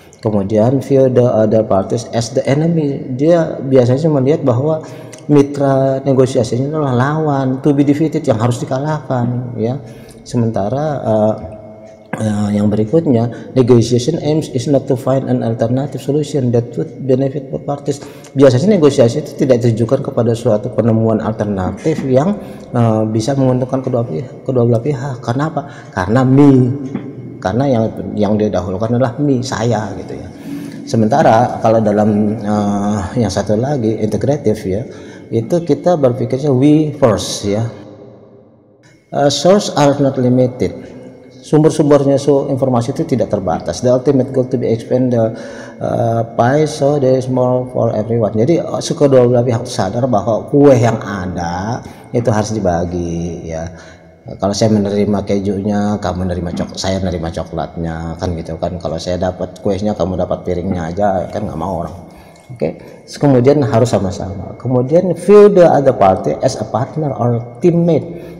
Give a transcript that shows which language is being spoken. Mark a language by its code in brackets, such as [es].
[id] Kemudian [en] view the other parties as the enemy, [id] dia biasanya melihat bahwa mitra negosiasinya adalah lawan, [en] to be defeated, [id] yang harus dikalahkan ya. Sementara yang berikutnya, [en] negotiation aims is not to find an alternative solution that would benefit both parties. [id] Biasanya negosiasi itu tidak ditujukan kepada suatu penemuan alternatif yang bisa menguntungkan kedua belah pihak. Kenapa? Karena me. Karena yang didahulukan adalah me, saya gitu ya. Sementara kalau dalam yang satu lagi integratif ya, itu kita berpikirnya we first ya. [en] Source are not limited. [id] Sumber-sumbernya, so informasi itu tidak terbatas. [en] The ultimate goal to be expand the pie so there is more for everyone. [id] Jadi kedua belah pihak sadar bahwa kue yang ada itu harus dibagi ya. Kalau saya menerima kejunya, kamu menerima saya menerima coklatnya, kan gitu kan. Kalau saya dapat kuenya, kamu dapat piringnya aja, kan nggak mau orang. Oke. Okay? Kemudian harus sama-sama. [en] Kemudian feel the other party as a partner or teammate.